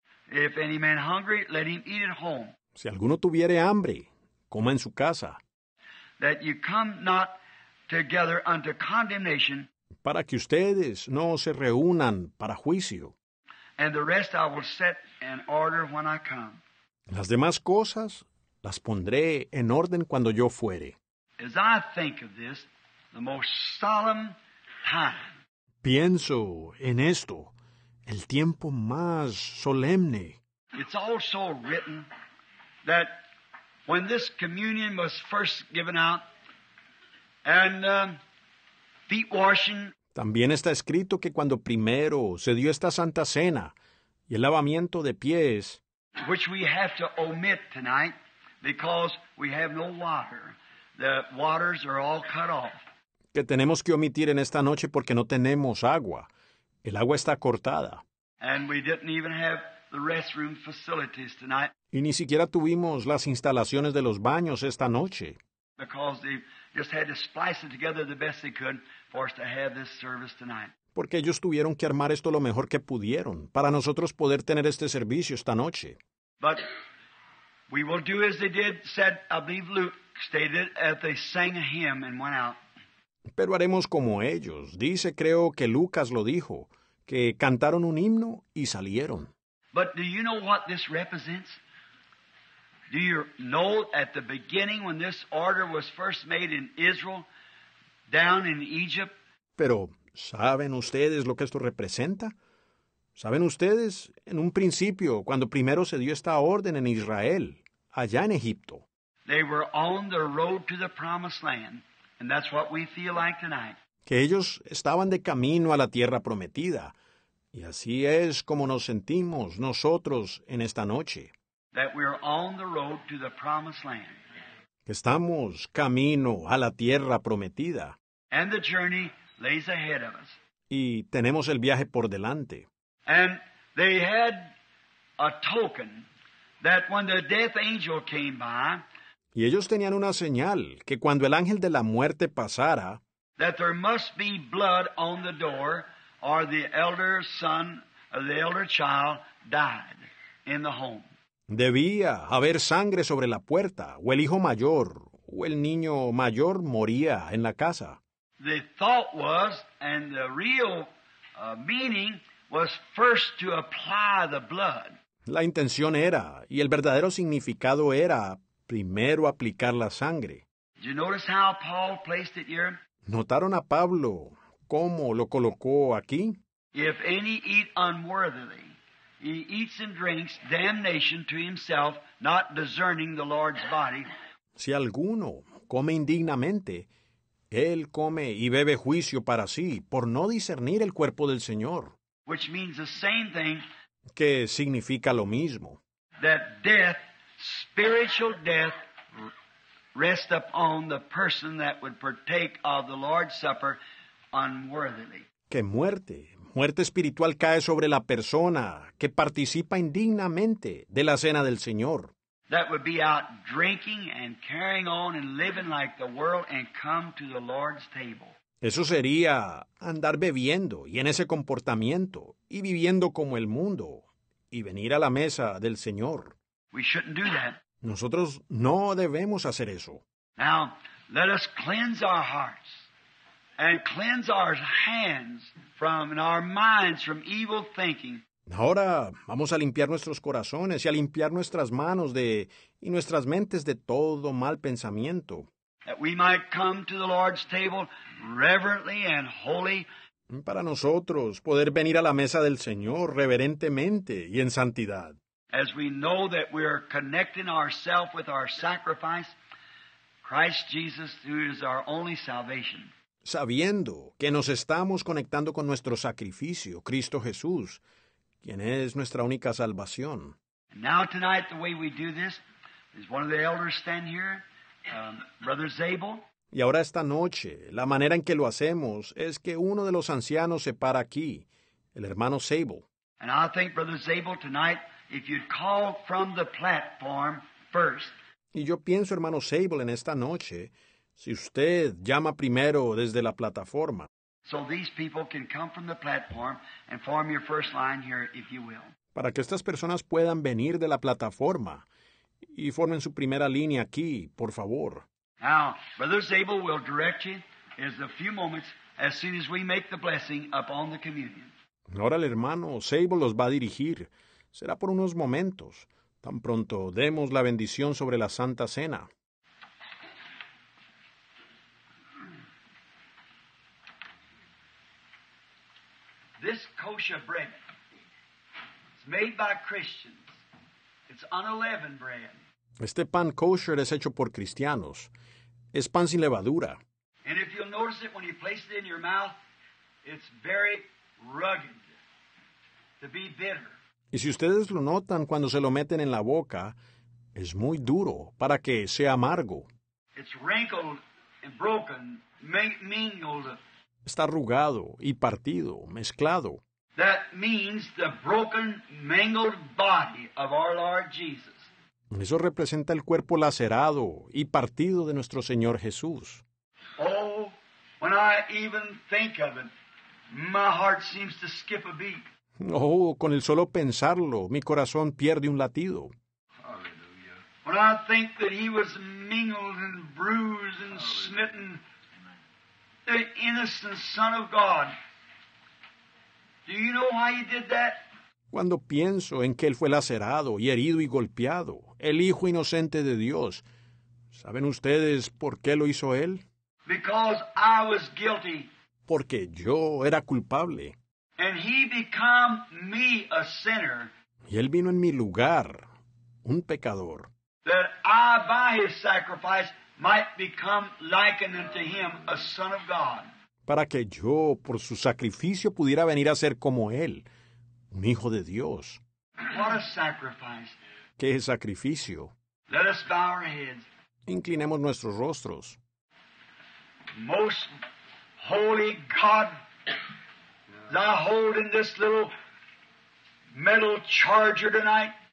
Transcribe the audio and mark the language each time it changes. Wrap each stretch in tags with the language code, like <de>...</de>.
<en>If any man hungry, let him eat at home.</en> <es>Si alguno tuviere hambre, coma en su casa.</es> <en>That you come not together unto condemnation,</en> <es>para que ustedes no se reúnan para juicio.</es> <en>And the rest I will set in order when I come.</en> <es>Las demás cosas las pondré en orden cuando yo fuere.</es> <en>As I think of this, the most solemn time.</en> <es>Pienso en esto, el tiempo más solemne.</es> <en>It's also written that when this communion was first given out, and feet washing.</en> <es>También está escrito que cuando primero se dio esta santa cena y el lavamiento de pies,</es> <en>which we have to omit tonight because we have no water. The waters are all cut off.</en> <es>Que tenemos que omitir en esta noche porque no tenemos agua. El agua está cortada.</es> <en>And we didn't even have the restroom facilities tonight.</en> <es>Y ni siquiera tuvimos las instalaciones de los baños esta noche.</es> <en>Because they just had to splice it together the best they could for us to have this service tonight.</en> <es>Porque ellos tuvieron que armar esto lo mejor que pudieron para nosotros poder tener este servicio esta noche.</es> <en>But we will do as they did, said, I believe Luke stated, as they sang a hymn and went out.</en> <es>Pero haremos como ellos. Dice, creo que Lucas lo dijo, que cantaron un himno y salieron.</es> <en>But do you know what this represents? Do you know at the beginning when this order was first made in Israel, down in Egypt?</en> <es>Pero, ¿saben ustedes lo que esto representa? ¿Saben ustedes, en un principio, cuando primero se dio esta orden en Israel, allá en Egipto?</es> <en>They were on the road to the promised land, and that's what we feel like tonight.</en> <es>Que ellos estaban de camino a la tierra prometida, y así es como nos sentimos nosotros en esta noche.</es> <en>That we are on the road to the promised land.</en> <es>Que estamos camino a la tierra prometida.</es> <en>And the journey lays ahead of us.</en> <es>Y tenemos el viaje por delante.</es> <en>And they had a token that when the death angel came by.</en> <es>Y ellos tenían una señal que cuando el ángel de la muerte pasara.</es> <en>That there must be blood on the door or the elder son or the elder child died in the home.</en> <es>Debía haber sangre sobre la puerta, o el hijo mayor, o el niño mayor moría en la casa.</es> <en>The thought was, and the real meaning, was first to apply the blood.</en> <es>La intención era, y el verdadero significado era, primero aplicar la sangre.</es> <en>Did you notice how Paul placed it here?</en> <es>¿Notaron a Pablo cómo lo colocó aquí?</es> <en>If any eat unworthily. He eats and drinks damnation to himself, not discerning the Lord's body.</en> <es>Si alguno come indignamente, él come y bebe juicio para sí, por no discernir el cuerpo del Señor.</es> <en>Which means the same thing.</en> <es>Que significa lo mismo.</es> <en>That death, spiritual death, rest upon the person that would partake of the Lord's Supper unworthily.</en> <es>¡Qué muerte! Muerte espiritual cae sobre la persona que participa indignamente de la cena del Señor.</es> <en>That would be out drinking and carrying on and living like the world and come to the Lord's table.</en> <es>Eso sería andar bebiendo y en ese comportamiento y viviendo como el mundo y venir a la mesa del Señor.</es> <en>We shouldn't do that.</en> <es>Nosotros no debemos hacer eso.</es> <en>Now, let us cleanse our hearts and cleanse our hands from and our minds from evil thinking.</en> <es>Ahora vamos a limpiar nuestros corazones y a limpiar nuestras manos de y nuestras mentes de todo mal pensamiento.</es> <en>That we might come to the Lord's table reverently and holy.</en> <es>Para nosotros poder venir a la mesa del Señor reverentemente y en santidad.</es> <en>As we know that we are connecting ourselves with our sacrifice, Christ Jesus, who is our only salvation.</en> <es>Sabiendo que nos estamos conectando con nuestro sacrificio, Cristo Jesús, quien es nuestra única salvación.</es> <en>Now tonight, the way we do this is one of the elders stand here, Brother Zabel.</en> <es>Y ahora esta noche, la manera en que lo hacemos es que uno de los ancianos se para aquí, el hermano Zabel.</es> <en>And I think Brother Zabel tonight, if you'd call from the platform first.</en> <es>Y yo pienso, hermano Zabel, en esta noche, si usted llama primero desde la plataforma.</es> <en>So these people can come from the platform and form your first line here, if you will.</en> <es>Para que estas personas puedan venir de la plataforma y formen su primera línea aquí, por favor.</es> <en>Now, Brother Zabel will direct you in a few moments as soon as we make the blessing upon the communion.</en> <es>Ahora el hermano Zabel los va a dirigir. Será por unos momentos. Tan pronto demos la bendición sobre la Santa Cena.</es> <en>This kosher bread is made by Christians. It's unleavened bread.</en> <es>Este pan kosher es hecho por cristianos. Es pan sin levadura.</es> <en>And if you'll notice it when you place it in your mouth, it's very rugged to be bitter.</en> <es>Y si ustedes lo notan cuando se lo meten en la boca, es muy duro para que sea amargo.</es> <en>It's wrinkled and broken, mingled.</en> <es>Está arrugado y partido, mezclado.</es> <en>That means the broken, mangled body of our Lord Jesus.</en> <es>Eso representa el cuerpo lacerado y partido de nuestro Señor Jesús.</es> <en>Oh, when I even think of it, my heart seems to skip a beat.</en> <es>Oh, con el solo pensarlo, mi corazón pierde un latido.</es> <en>Hallelujah. When I think that he was mingled and bruised and Hallelujah. Smitten, the innocent Son of God. Do you know why he did that?</en> <es>Cuando pienso en que él fue lacerado y herido y golpeado, el Hijo inocente de Dios, ¿saben ustedes por qué lo hizo él?</es> <en>Because I was guilty.</en> <es>Porque yo era culpable.</es> <en>And he became me a sinner.</en> <es>Y él vino en mi lugar, un pecador.</es> <en>That I by his sacrifice might become likened unto him a son of God.</en> <es>Para que yo por su sacrificio pudiera venir a ser como él, un hijo de Dios.</es> <en>What a sacrifice.</en> <es>Qué sacrificio.</es> <en>Let us bow our heads.</en> <es>Inclinemos nuestros rostros.</es> <en>Most holy God. I hold in this little metal charger tonight.</en>